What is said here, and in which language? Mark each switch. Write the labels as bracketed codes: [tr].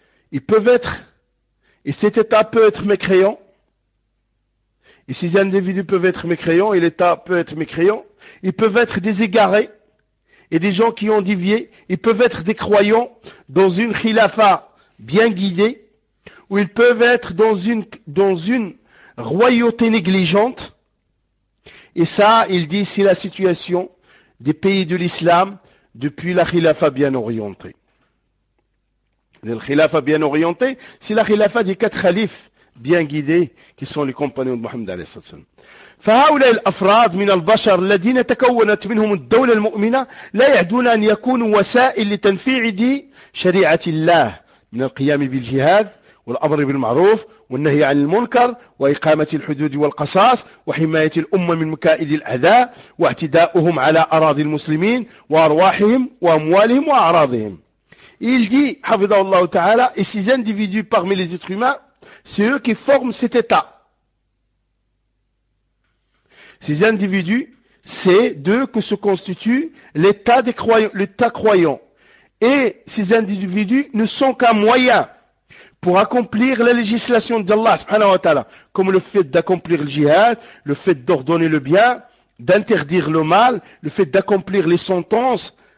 [fr] Ils peuvent être, et cet État peut être mécréant, et ces individus peuvent être mécréants, et l'État peut être mécréant, ils peuvent être des égarés, et des gens qui ont dévié, ils peuvent être des croyants dans une khilafa bien guidée, ou ils peuvent être dans une royauté négligente. Et ça, il dit, c'est la situation des pays de l'islam depuis la khilafa bien orientée. La khilafa bien orientée, c'est la khilafa des quatre khalifs bien guidés, qui sont les compagnons de Mohammed alayhi salam. [ar] فهؤلاء الأفراد من البشر الذين تكونت منهم الدولة المؤمنة لا يعدون أن يكونوا وسائل لتنفيذ شريعة الله من القيام بالجهاد والأمر بالمعروف والنهي عن المنكر وإقامة الحدود والقصاص وحماية الأمة من مكائد الأذى واعتداؤهم على أراضي المسلمين وأرواحهم وأموالهم وأعراضهم. [fr] Il dit, [ar] حفظه الله تعالى, [fr] et ces individus parmi les êtres humains, c'est eux qui forment cet état. Ces individus, c'est d'eux que se constitue l'état croyant. Et ces individus ne sont qu'un moyen pour accomplir la législation d'Allah, subhanahu wa ta'ala, comme le fait d'accomplir le jihad, le fait d'ordonner le bien, d'interdire le mal, le fait d'accomplir les sentences,